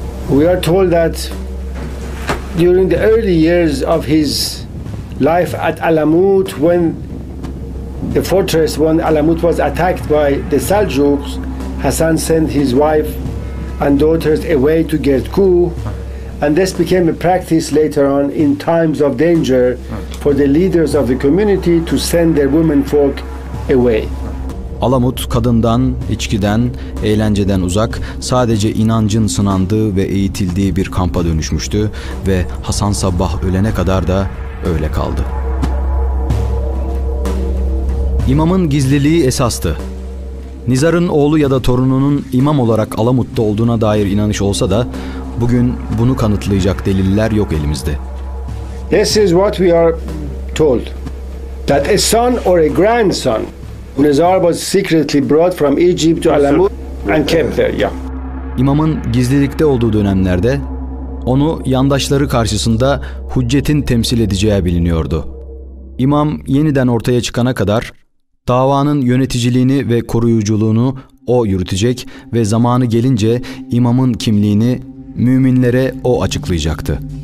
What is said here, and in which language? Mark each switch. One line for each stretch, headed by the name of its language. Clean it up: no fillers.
English: We are told that during the early years of his life at Alamut, when the fortress, when Alamut was attacked by the Seljuks, Hasan sent his wife and daughters away to Gerdku, and this became a practice later on in times of danger for the leaders of the community to send their women folk away.
Turkish: Alamut kadından, içkiden, eğlenceden uzak sadece inancın sınandığı ve eğitildiği bir kampa dönüşmüştü ve Hasan Sabbah ölene kadar da öyle kaldı. İmamın gizliliği esastı. Nizar'ın oğlu ya da torununun imam olarak Alamut'ta olduğuna dair inanış olsa da bugün bunu kanıtlayacak deliller yok elimizde.
English: This is what we are told. That a son or a grandson, Nizar was secretly brought from Egypt to Alamut and kept there. Yeah.
Turkish: İmamın gizlilikte olduğu dönemlerde onu yandaşları karşısında hüccetin temsil edeceği biliniyordu. İmam yeniden ortaya çıkana kadar davanın yöneticiliğini ve koruyuculuğunu o yürütecek ve zamanı gelince imamın kimliğini müminlere o açıklayacaktı.